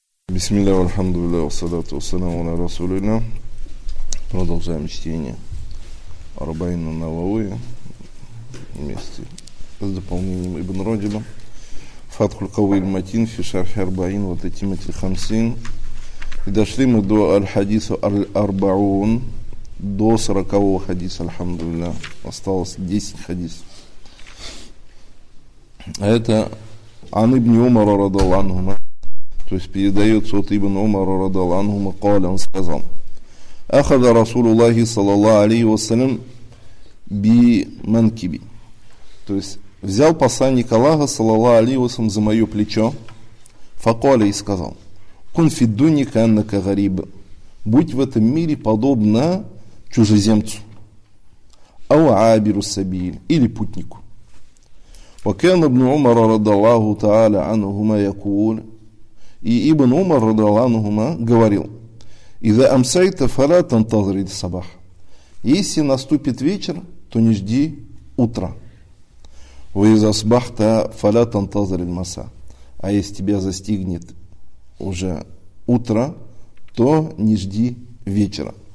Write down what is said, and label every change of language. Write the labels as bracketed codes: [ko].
[ar] بسم الله والحمد لله والصلاة والسلام على رسولنا. [ru] Продолжаем чтение Арбаин ан-Нававви вместе с дополнением Ибн Раджиба. Фатху аль-Кави аль-Матин фи шарх Арбаин ва Татимати аль-Хамсин. И дошли мы до аль-хадиса аль-Арбаун, до 40-го хадиса, альхамдулилля. Осталось 10 хадисов. А это ан ибн Умара радиаллаху анху. То есть передается от Ибн Умара радиаллаху анху, قال, он сказал: [ar] أخذ رسول الله صلى الله عليه وسلم بمنكبي. [ru] То есть взял посланник Аллаха [ar] صلى الله عليه وسلم [ru] за мое плечо. [ar] فقال, [ru] и сказал: [ar] كن في الدنيا كأنك غريب. [ru] Будь в этом мире подобно чужеземцу. [ar] أو عابر السبيل, [ru] или путнику. [ar] وكان ابن عمر رضي الله تعالى عنهما يقول. [ru] И Ибн Умар радиаллаху говорил: [ar] «Иза амсайта фала тантазри сабах». [ru] Если наступит вечер, то не жди утра. [ar] «Ва иза сабахта фала тантазри маса». [ru] А если тебя застигнет уже утро, то не жди вечера.